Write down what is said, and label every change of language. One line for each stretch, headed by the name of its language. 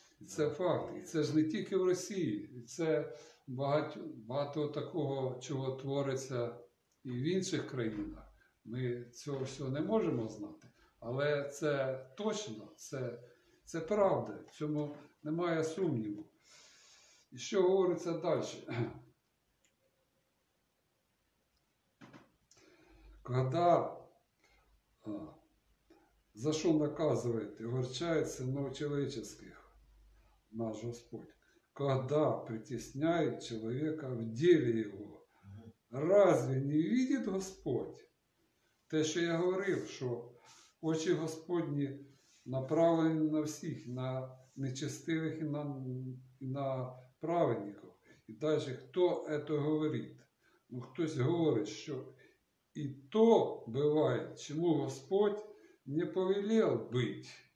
Ukrainian: Це факт. І це ж не тільки в Росії. Це багато такого, чого твориться і в інших країнах. Ми цього всього не можемо знати. Але це точно, це правда. В цьому немає сумніву. І що говориться далі?
Russian: Когда за что наказывает и огорчает сынов человеческих, наш Господь, когда притесняет человека в деле его, разве не видит Господь?
Ukrainian: Те, що я говорив, що очі Господні направлені на всіх, на нечестивих і на праведників. І далі, хто це говорить? Ну, хтось говорить, що і то буває, чому Господь не повелел бити.